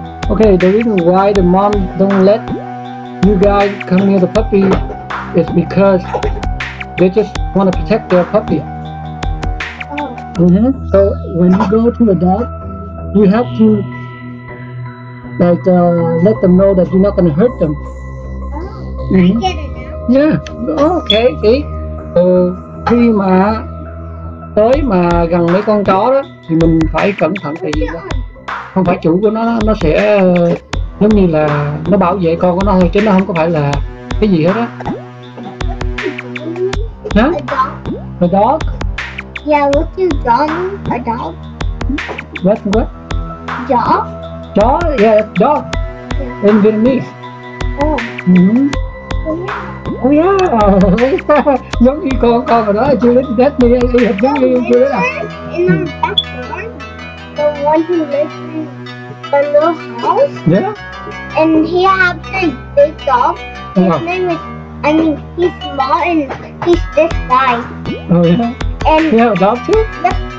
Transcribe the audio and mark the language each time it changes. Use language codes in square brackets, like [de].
[en] Okay, the reason why the mom don't let you guys come near the puppy is because they just want to protect their puppy. Mm-hmm. So when you go to the dog, you have to let them know that you're not going to hurt them. Mm-hmm. Yeah. Okay. See. [vi] So, khi mà tới mà gần mấy con chó đó thì mình phải cẩn thận, tại vì không phải chủ của nó sẽ giống như là nó bảo vệ con của nó thôi, chứ nó không có phải là cái gì hết á. Hả? [en] The dog. Yeah, what is dog? A dog. What? What? [vi] Chó. [en] Chó, yeah, that's dog. In Vietnamese. Oh. Mm-hmm. Oh yeah. Oh yeah. [vi] Giống như con của nó, chú lấy cái đất này, giống như chú lấy. [en] In our backyard, the one who lives in the little house. Yeah. And he has a big dog. His name is, he's small and he's this size. Oh yeah. And you have a dog too? Yeah.